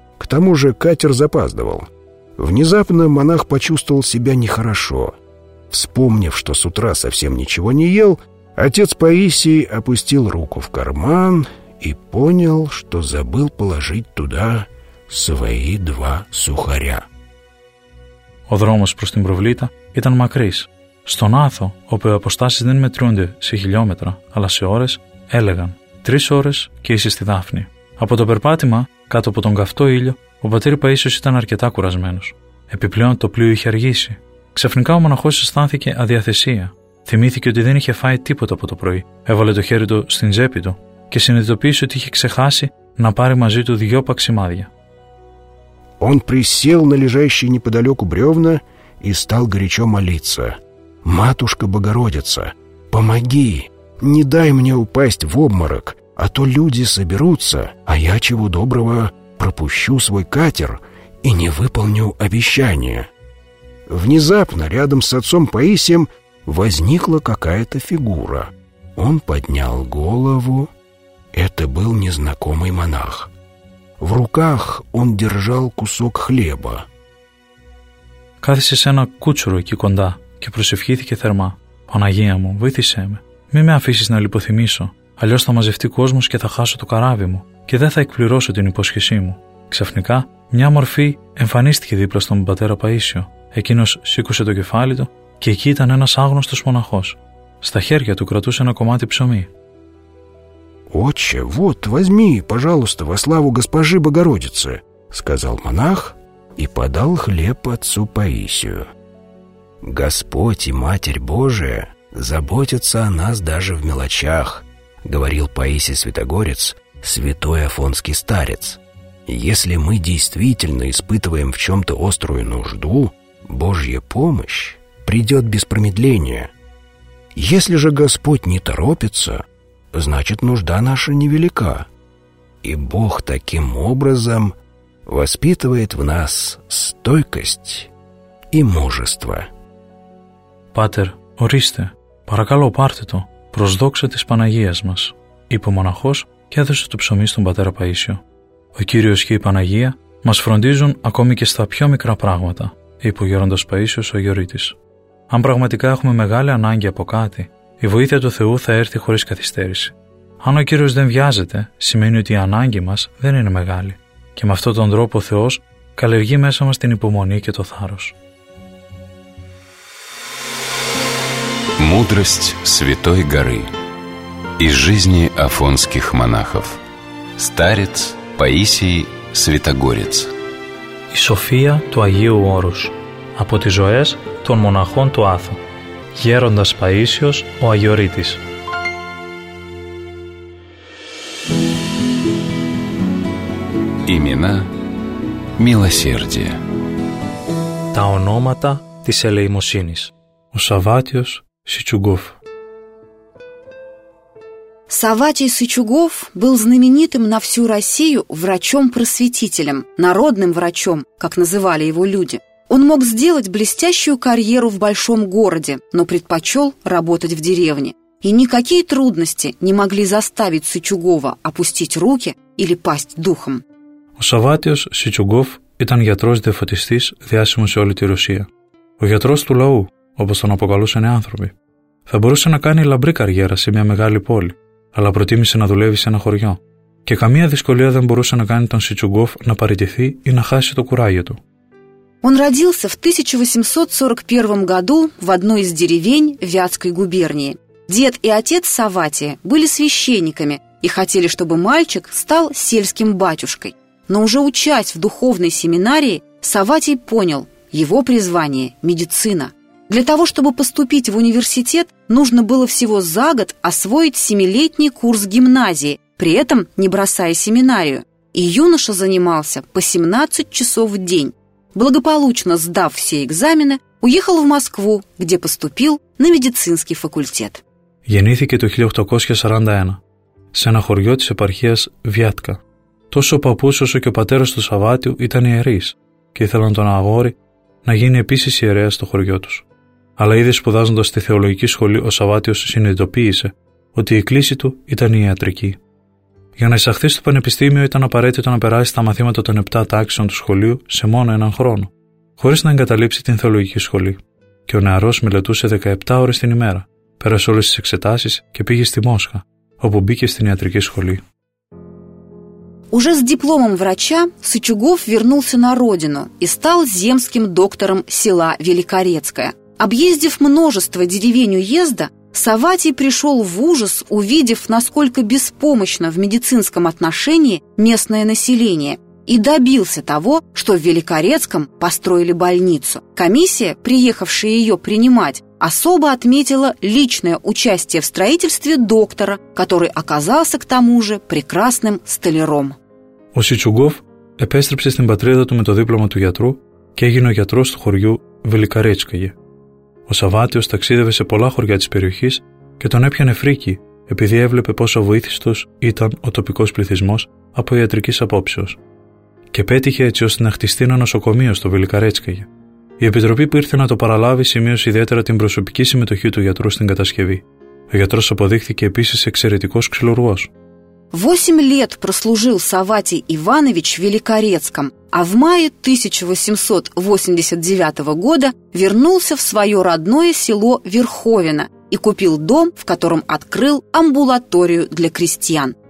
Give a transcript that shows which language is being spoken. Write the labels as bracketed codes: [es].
[ru] К тому же катер запаздывал. Внезапно монах почувствовал себя нехорошо. Вспомнив, что с утра совсем ничего не ел, отец Паисий опустил руку в карман и понял, что забыл положить туда свои два сухаря. [el] Ο δρόμος προς την προβλήτα ήταν μακρύς. Στον Άθο, όπου οι αποστάσεις δεν μετρούνται σε χιλιόμετρα, αλλά σε ώρες, έλεγαν «Τρεις ώρες και είσαι στη Δάφνη». Από το περπάτημα, κάτω από τον καυτό ήλιο, ο πατήρ Παΐσιος ήταν αρκετά κουρασμένος. Επιπλέον το πλοίο είχε αργήσει. Ξαφνικά ο μοναχός αισθάνθηκε αδιαθεσία. Θυμήθηκε ότι δεν είχε φάει τίποτα από το πρωί. Έβαλε το χέρι του στην τσέπη του και συνειδητοποίησε ότι είχε ξεχάσει να πάρει μαζί του δυο παξιμάδια. [ru] Он присел на лежащие неподалеку бревна и стал горячо молиться. «Матушка Богородица, помоги! Не дай мне упасть в обморок, а то люди соберутся, а я чего доброго пропущу свой катер и не выполню обещание». Внезапно рядом с отцом Паисием возникла какая-то фигура. Он поднял голову. Это был незнакомый монах. В руках он держал кусок хлеба. [el] «Κάθισε σε ένα κούτσουρο εκεί κοντά και προσευχήθηκε θερμά. Παναγία μου, βοήθησέ με. Μη με αφήσεις να λιποθυμήσω. Αλλιώς θα μαζευτεί κόσμος και θα χάσω το καράβι μου και δεν θα εκπληρώσω την υπόσχεσή μου». Ξαφνικά, μια μορφή εμφανίστηκε δίπλα στον πατέρα Παΐσιο. Εκείνος σήκωσε το κεφάλι του και εκεί ήταν ένας άγνωστος μοναχός. Στα χέρια του κρατούσε ένα κομμάτι ψωμί. [ru] «Отче, вот, возьми, пожалуйста, во славу госпожи Богородицы», сказал монах и подал хлеб отцу Паисию. «Господь и Матерь Божия заботятся о нас даже в мелочах», говорил Паисий Святогорец, святой афонский старец. «Если мы действительно испытываем в чем-то острую нужду, Божья помощь придет без промедления. Если же Господь не торопится, значит, нужда наша невелика. И Бог таким образом воспитывает в нас стойкость и мужество». [el] «Патер, ορίστε, παρακαλώ πάρτε το, προσδόξα της Παναγίας μας», είπε ο μοναχός και έδωσε το ψωμί στον πατέρα Παΐσιο. «Ο Κύριος και η Παναγία μας φροντίζουν ακόμη και στα πιο μικρά πράγματα», είπε ο γέροντας Παΐσιος ο γιορείτης. «Αν πραγματικά έχουμε μεγάλη ανάγκη από κάτι, η βοήθεια του Θεού θα έρθει χωρίς καθυστέρηση. Αν ο Κύριος δεν βιάζεται, σημαίνει ότι η ανάγκη μας δεν είναι μεγάλη. Και με αυτόν τον τρόπο ο Θεός καλλιεργεί μέσα μας την υπομονή και το θάρρος». [ru] Мудрость Святой Горы из жизни афонских монахов. Старец Паисий Святогорец. [el] Η σοφία του Αγίου Όρους από τις ζωές των μοναχών του Άθου. Γέροντας Παΐσιος, ο Αγιορείτης. [ru] Имена милосердия. [el] Τα ονόματα της ελεημοσύνης. Ο Σαββάτιος Сычугов. [ru] Савватий Сычугов был знаменитым на всю Россию врачом-просветителем, народным врачом, как называли его люди. Он мог сделать блестящую карьеру в большом городе, но предпочел работать в деревне. И никакие трудности не могли заставить Сычугова опустить руки или пасть духом. [el] Ο Савватиος Сычугов ήταν γιατρός-διαφωτιστής διάσημος σε όλη τη Ρωσία. Ο γιατρός του λαού, όπως τον αποκαλούσαν οι άνθρωποι. Θα μπορούσε να κάνει λαμπρή καριέρα σε μια μεγάλη πόλη, αλλά προτίμησε να δουλεύει σε ένα χωριό. Και καμία δυσκολία δεν μπορούσε να κάνει τον Σιτσουγκόφ να παραιτηθεί ή να χάσει το κουράγιο του. [ru] Он родился в 1841 году в одной из деревень Вятской губернии. Дед и отец Савватия были священниками и хотели, чтобы мальчик стал сельским батюшкой. Но уже учась в духовной семинарии, Савватий понял, его призвание – медицина. Для того, чтобы поступить в университет, нужно было всего за год освоить 7-летний курс гимназии, при этом не бросая семинарию. И юноша занимался по 17 часов в день. Благополучно сдав все экзамены, уехал в Москву, где поступил на медицинский факультет. [el] Γεννήθηκε το 1841 σε ένα χωριό της επαρχίας Βιάτκα. Τόσο ο παππούς όσο και ο πατέρας του Σαββάτιου ήταν ιερείς και ήθελαν τον αγόρι να γίνει επίσης ιερέας στο χωριό τους. Αλλά ήδη σπουδάζοντας στη θεολογική σχολή, ο Σαββάτιος συνειδητοποίησε ότι η κλίση του ήταν η ιατρική. Για να εισαχθεί στο πανεπιστήμιο ήταν απαραίτητο να περάσει τα μαθήματα των 7 τάξεων του σχολείου σε μόνο έναν χρόνο, χωρίς να εγκαταλείψει την θεολογική σχολή. Και ο νεαρός μελετούσε 17 ώρες την ημέρα, πέρασε όλες τις εξετάσεις και πήγε στη Μόσχα, όπου μπήκε στην ιατρική σχολή. [ru] Уже с дипломом врача Сычугов вернулся на родину и стал земским доктором села Великорецкое. Объездив множество деревень уезда, Савватий пришел в ужас, увидев, насколько беспомощно в медицинском отношении местное население, и добился того, что в Великорецком построили больницу. Комиссия, приехавшая ее принимать, особо отметила личное участие в строительстве доктора, который оказался к тому же прекрасным столяром. [el] Ο Сычугов επέστρεψε στην πατρίδα του με το δίπλωμα του γιατρού και έγινε ο γιατρός του χωριού Βελικαρέτσκαγε. Ο Σαββάτιος ταξίδευε σε πολλά χωριά της περιοχής και τον έπιανε φρίκι επειδή έβλεπε πόσο αβοήθιστος ήταν ο τοπικός πληθυσμός από ιατρικής απόψεως. Και πέτυχε έτσι ώστε να χτιστεί ένα νοσοκομείο στο Βελικαρέτσκαγε. Η επιτροπή που ήρθε να το παραλάβει σημείωσε ιδιαίτερα την προσωπική συμμετοχή του γιατρού στην κατασκευή. Ο γιατρός αποδείχθηκε επίσης εξαιρετικός ξυλουργός. [ru] 8 лет прослужил Саватий Иванович в Великорецком, а в мае 1889 года вернулся в свое родное село Верховино и купил дом, в котором открыл амбулаторию для крестьян.